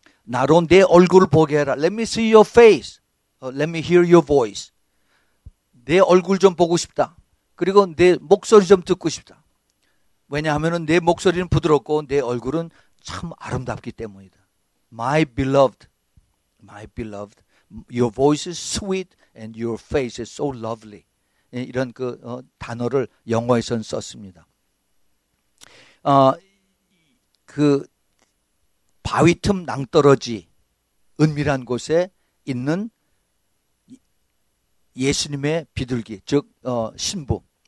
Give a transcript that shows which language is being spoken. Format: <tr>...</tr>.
<ko>나로 내 얼굴을 보게 해라.</ko> <en>Let me see your face. Let me hear your voice.</en> <ko>내 얼굴 좀 보고 싶다. 그리고 내 목소리 좀 듣고 싶다. 왜냐하면 내 목소리는 부드럽고 내 얼굴은 참 아름답기 때문이다.</ko> <en>My beloved, my beloved, your voice is sweet and your face is so lovely.</en> <ko>이런 그 단어를 영어에선 썼습니다. 그 바위 틈 낭떠러지 은밀한 곳에 있는 예수님의 비둘기, 즉 신부.</ko>